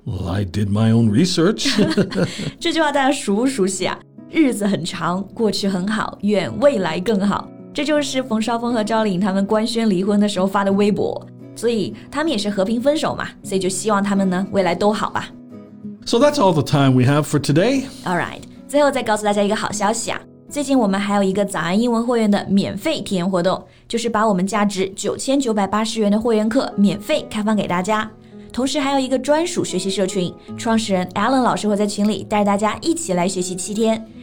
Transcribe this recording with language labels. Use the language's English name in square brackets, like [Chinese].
[English] Well, I did my own research. [Chinese] 这句话大家熟不熟悉啊？日子很长，过去很好，愿未来更好。这就是冯绍峰和赵丽颖他们官宣离婚的时候发的微博。所以他们也是和平分手嘛，所以就希望他们呢未来都好吧。 [English] So that's all the time we have for today. [Chinese] All right, 最后再告诉大家一个好消息啊。最近我们还有一个早安英文会员的免费体验活动，就是把我们价值9980元的会员课免费开放给大家。同时还有一个专属学习社群，创始人 Alan 老师会在群里带大家一起来学习7天。